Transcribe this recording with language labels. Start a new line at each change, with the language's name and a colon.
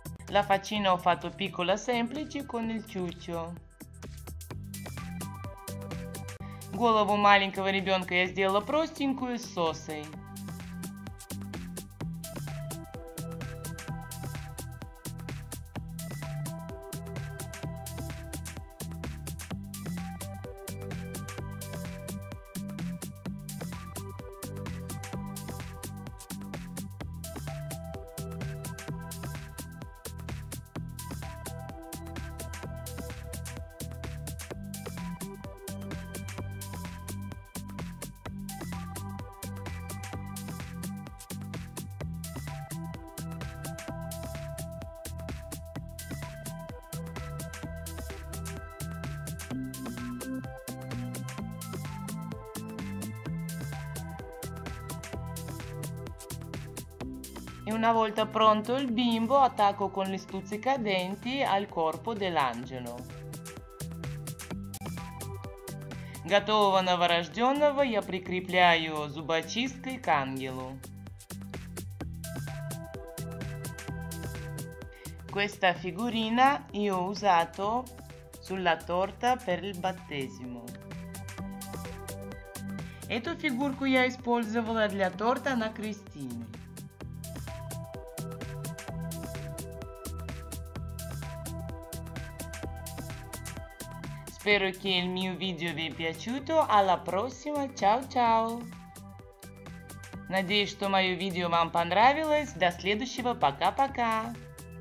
Italian: La faccina ho fatto piccola semplice con il ciuccio.
Russian: Голову маленького ребенка я сделала простенькую с сосой.
Italian: E una volta pronto il bimbo attacco con le stuzzicadenti al corpo dell'angelo.
Russian: Готового новорожденного я прикрепляю зубочисткой к ангелу.
Italian: Questa figurina io ho usato sulla torta per il battesimo.
Russian: Эту фигурку я использовала для торта на крестине.
Italian: Spero che il mio video vi è piaciuto. Alla prossima. Ciao, ciao.
Russian: Надеюсь, что мое видео вам понравилось. До следующего. Пока-пока.